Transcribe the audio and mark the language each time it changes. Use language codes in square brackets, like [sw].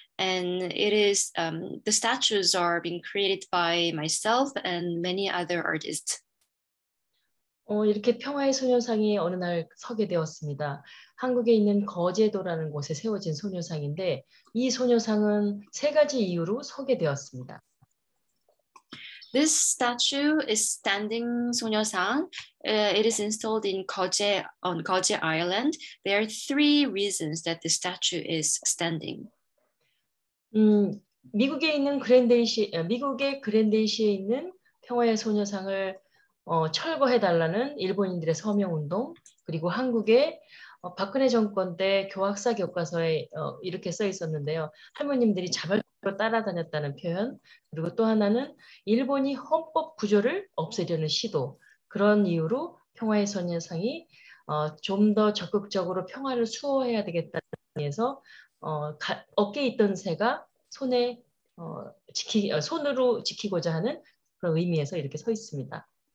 [en] And it is, the statues are being created by myself and many other artists. [ko] 이렇게 평화의 소녀상이 어느 날 서게 되었습니다. 한국에 있는 거제도라는 곳에 세워진 소녀상인데 이 소녀상은 세 가지 이유로 서게 되었습니다. [en] This statue is standing 소녀상. It is installed in Geoje on Geoje Island. There are three reasons that the statue is standing. [ko] 미국에 있는 그랜데이시 미국의 그랜데이시에 있는 평화의 소녀상을 철거해 달라는 일본인들의 서명 운동 그리고 한국의 박근혜 정권 때 교학사 교과서에 이렇게 써 있었는데요. 할머님들이 자발적으로 따라다녔다는 표현 그리고 또 하나는 일본이 헌법 구조를 없애려는 시도 그런 이유로 평화의 소녀상이 좀 더 적극적으로 평화를 수호해야 되겠다는 의미에서 어깨에 있던 새가 손에 손으로 지키고자 하는 그런 의미에서 이렇게 서 있습니다.